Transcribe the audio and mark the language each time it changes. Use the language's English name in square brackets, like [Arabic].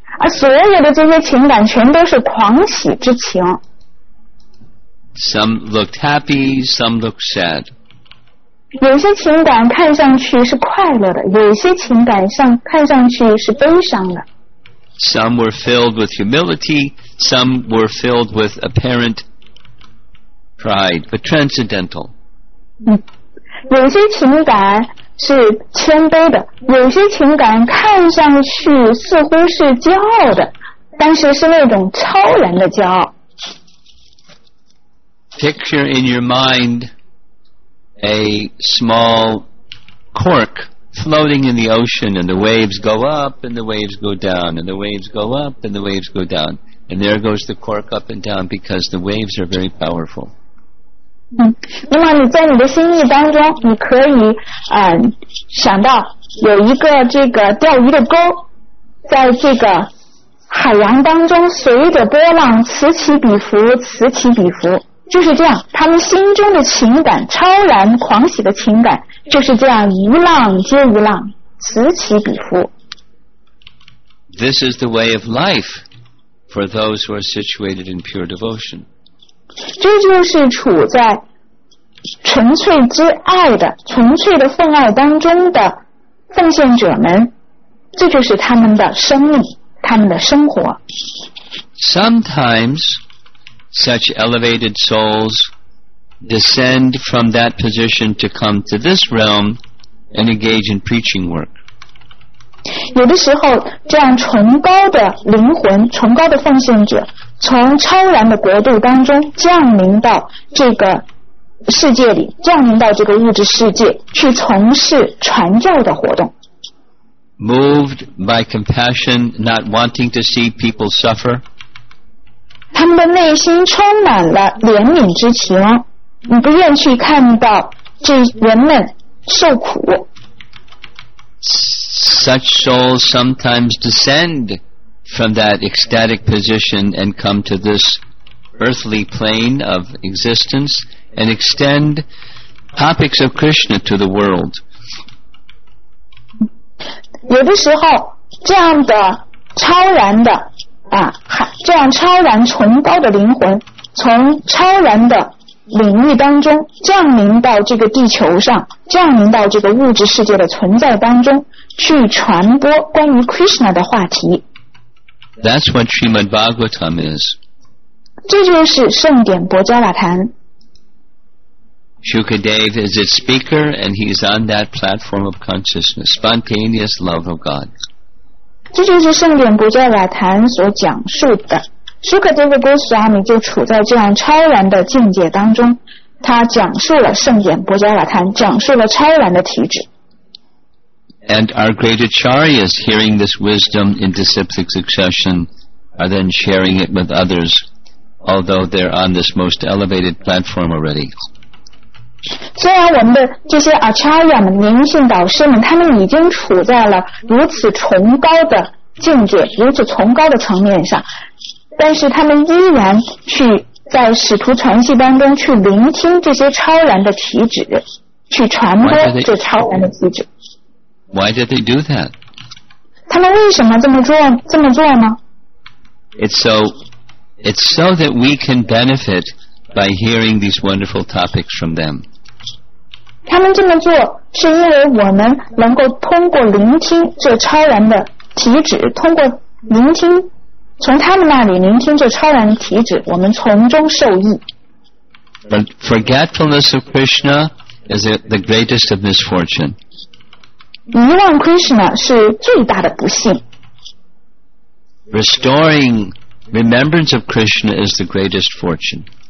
[Chinese] 所有的这些情感全都是狂喜之情 [English] some looked happy some looked sad [Chinese] 有些情感看上去是快乐的有些情感看上去是悲伤的 [English] Some were filled with humility, some were filled with apparent pride, but transcendental. [Chinese] 有些情感是谦卑的，有些情感看上去似乎是骄傲的，但是是那种超然的骄傲。 [English] Picture in your mind a small cork. Floating in the ocean and the waves go up and the waves go down and the waves go up and the waves go down and there goes the cork up and down because the waves are very powerful [Chinese] 那么你在你的心意当中你可以想到有一个这个钓鱼的钩在这个海洋当中随着波浪此起彼伏此起彼伏就是这样他们心中的情感超然狂喜的情感就是这样一浪接一浪，此起彼伏。 [English] This is the way of life for those who are situated in pure devotion. [Chinese] 这就是处在纯粹之爱的、纯粹的奉爱当中的奉献者们，这就是他们的生命，他们的生活。 [English] Sometimes such elevated souls descend from that position to come to this realm and engage in preaching work. [Chinese] 有的时候，这样崇高的灵魂、崇高的奉献者，从超然的国度当中降临到这个世界里，降临到这个物质世界，去从事传教的活动。 [English] Moved by compassion, not wanting to see people suffer. [Chinese] 他们的内心充满了怜悯之情，不愿去看到这人们受苦。 [English] Such souls sometimes descend from that ecstatic position and come to this earthly plane of existence and extend topics of Krishna to the world. [Chinese] 有的时候这样的超然的这样超然崇高的灵魂从超然的领域当中降临到这个地球上降临到这个物质世界的存在当中去传播关于 Krishna 的话题 [English] That's what Srimad Bhagavatam is [Chinese] 这就是圣典薄伽罗坛 [English] Shukadeva is its speaker and he's on that platform of consciousness spontaneous love of God [Chinese] 这就是圣典薄伽罗坛所讲述的舒克德维古斯阿米就处在这样超然的境界当中他讲述了圣典薄伽罗坛讲述了超然的体质 [English] And our great acharyas hearing this wisdom in disciplic succession are then sharing it with others although they're on this most elevated platform already [Chinese] 虽然我们的这些 acharya 们灵性导师们他们已经处在了如此崇高的境界如此崇高的层面上但是他们依然去在使徒传系当中去聆听这些超然的体旨去传播这超然的体旨 [English] Why did they do that? [Chinese] 他们为什么这么做呢 [English] It's so that we can benefit by hearing these wonderful topics from them [Chinese] 他们这么做是因为我们能够通过聆听这超然的体旨通过聆听从他们那里聆听这超然的体旨我们从中受益 [English] But forgetfulness of Krishna is the greatest of misfortune [Chinese] 遗忘 Krishna 是最大的不幸 [English] Restoring remembrance of Krishna is the greatest fortune